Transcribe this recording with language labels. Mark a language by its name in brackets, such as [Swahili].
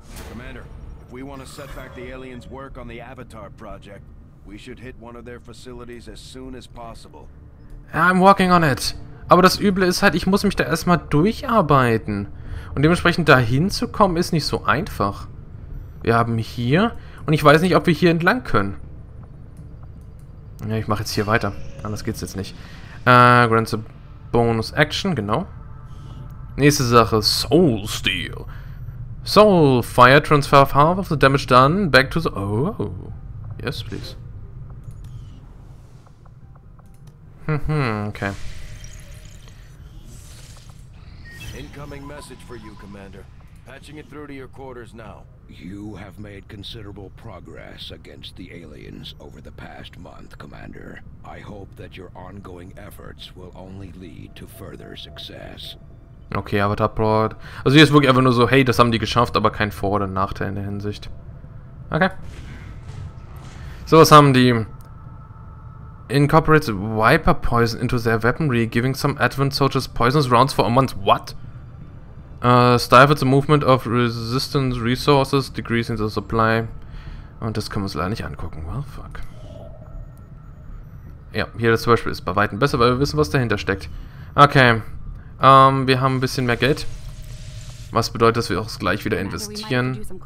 [English] Commander, if we want to set back the aliens' work on the Avatar project, We should hit one of their facilities as soon as possible. I'm working on it. [German] Aber das Üble ist halt, ich muss mich da erstmal durcharbeiten. Und dementsprechend da hinzukommen ist nicht so einfach. Wir haben hier. Und ich weiß nicht, ob wir hier entlang können. Ja, ich mache jetzt hier weiter. Anders geht's jetzt nicht. [English] Grants a bonus action, [German] genau. Nächste Sache, Soul Steel. [English] Soul Fire transfer of half of the damage done back to the... Oh, yes, please. Okay. Incoming message for you, Commander. Patching it through to your quarters now. You have made considerable progress against the aliens over the past month, Commander. I hope that your ongoing efforts will only lead to further success. [German] Okay, aber da braucht... Also hier ist wirklich einfach nur so, hey, das haben die geschafft, aber kein Vor- oder Nachteil in der Hinsicht. [English] Okay. [German] So, was haben die? [English] Incorporates Viper Poison into their weaponry, giving some advanced soldiers poisonous rounds for a month. What? Stifles the movement of resistance resources, decreasing the supply. [German] Und das können wir uns leider nicht angucken. [English] Well, fuck. [German] Ja, hier das zum Beispiel ist bei Weitem besser, weil wir wissen, was dahinter steckt. Okay. Wir haben ein bisschen mehr Geld. Was bedeutet, dass wir auch gleich wieder investieren.